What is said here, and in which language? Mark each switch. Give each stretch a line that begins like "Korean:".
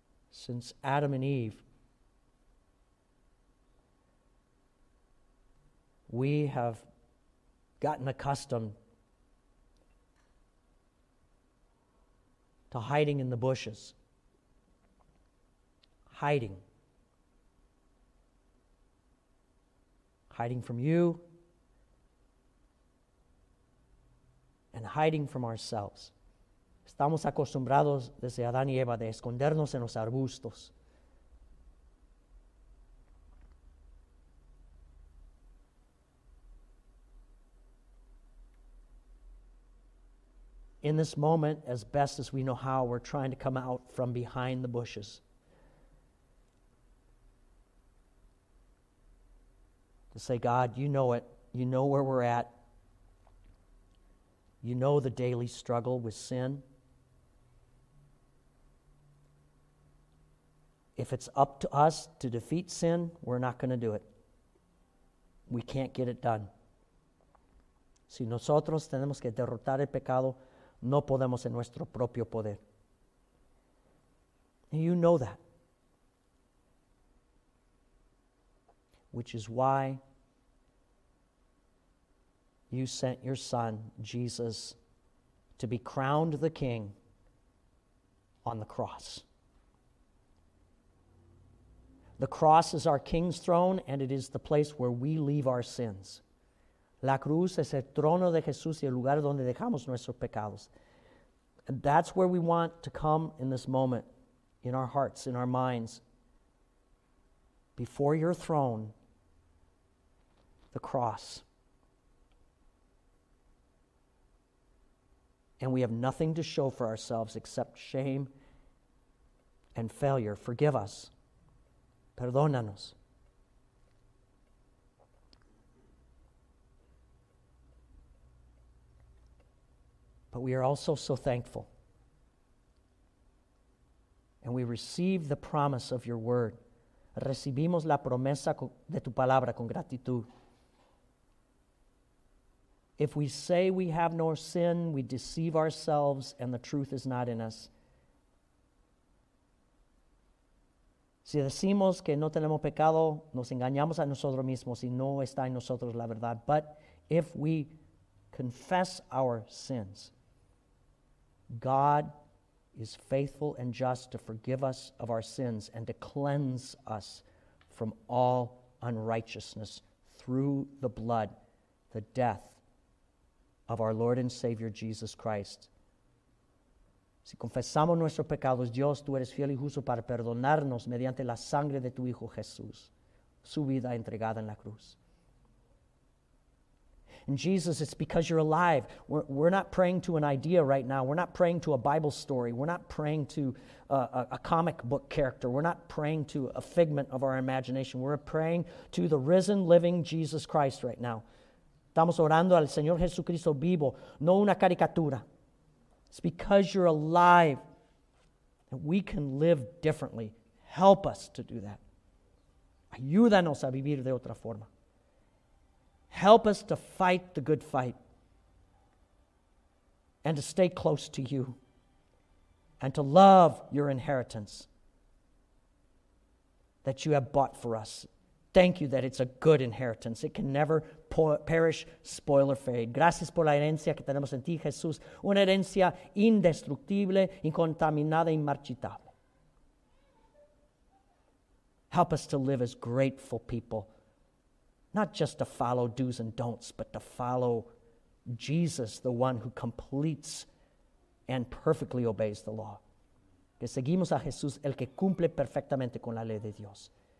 English: Since Adam and Eve, we have gotten accustomed to hiding in the bushes, hiding from you, and hiding from ourselves.
Spanish: Estamos acostumbrados desde Adán y Eva de escondernos en los arbustos.
English: In this moment, as best as we know how, we're trying to come out from behind the bushes. To say, God, you know it. You know where we're at. You know the daily struggle with sin. If it's up to us to defeat sin, we're not going to do it. We can't get it done.
Spanish: Si nosotros tenemos que derrotar el pecado, no podemos en nuestro propio poder.
English: You know that. Which is why you sent your son, Jesus, to be crowned the king on the cross. The cross is our king's throne, and it is the place where we leave our sins.
Spanish: La cruz es el trono de Jesús y el lugar donde dejamos nuestros pecados.
English: And that's where we want to come in this moment, in our hearts, in our minds, before your throne, the cross. And we have nothing to show for ourselves except shame and failure. Forgive us.
Spanish: Perdónanos.
English: But we are also so thankful. And we receive the promise of your word.
Spanish: Recibimos la promesa de tu palabra con gratitud.
English: If we say we have no sin, we deceive ourselves and the truth is not in us.
Spanish: Si decimos que no tenemos pecado, nos engañamos a nosotros mismos y no está en nosotros la verdad.
English: But if we confess our sins, God is faithful and just to forgive us of our sins and to cleanse us from all unrighteousness through the blood, the death of our Lord and Savior Jesus Christ.
Spanish: Si confesamos nuestros pecados, Dios, tú eres fiel y justo para perdonarnos mediante la sangre de tu Hijo Jesús, su vida entregada en la cruz.
English: And Jesus, it's because you're alive. We're not praying to an idea right now. We're not praying to a Bible story. We're not praying to a comic book character. We're not praying to a figment of our imagination. We're praying to the risen, living Jesus Christ right now.
Spanish: Estamos orando al Señor Jesucristo vivo, no una caricatura.
English: It's because you're alive that we can live differently. Help us to do that.
Spanish: Ayúdanos a vivir de otra forma.
English: Help us to fight the good fight and to stay close to you and to love your inheritance that you have bought for us. Thank you that it's a good inheritance. It can never perish, spoil, or fade.
Spanish: Gracias por la herencia que tenemos en ti, Jesús. Una herencia indestructible, incontaminada, inmarchitable.
English: Help us to live as grateful people. Not just to follow do's and don'ts, but to follow Jesus, the one who completes and perfectly obeys the law.
Spanish: Que seguimos a Jesús, el que cumple perfectamente con la ley de Dios.